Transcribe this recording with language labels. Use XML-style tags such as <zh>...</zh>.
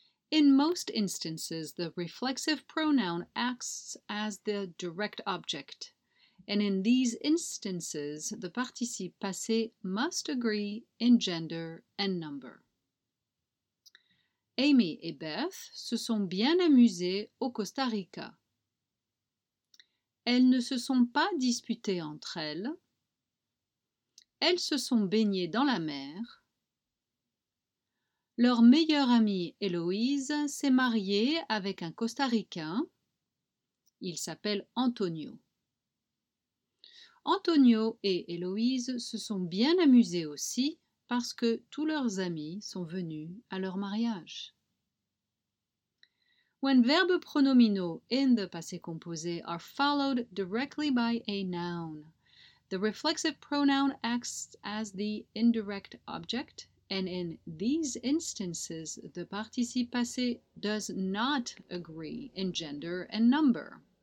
<en>In most instances, the reflexive pronoun acts as the direct object. And in these instances, the participe passé must agree in gender and number.</en> <fr>Amy et Beth se sont bien amusées au Costa Rica. Elles ne se sont pas disputées entre elles. Elles se sont baignées dans la mer. Leur meilleure amie Héloïse s'est mariée avec un Costaricain. Il s'appelle Antonio. Antonio et Héloïse se sont bien amusés aussi parce que tous leurs amis sont venus à leur mariage.</fr> <en>When verbes pronominaux in the passé composé are followed directly by a noun, the reflexive pronoun acts as the indirect object, and in these instances, the participe passé does not agree in gender and number.</en>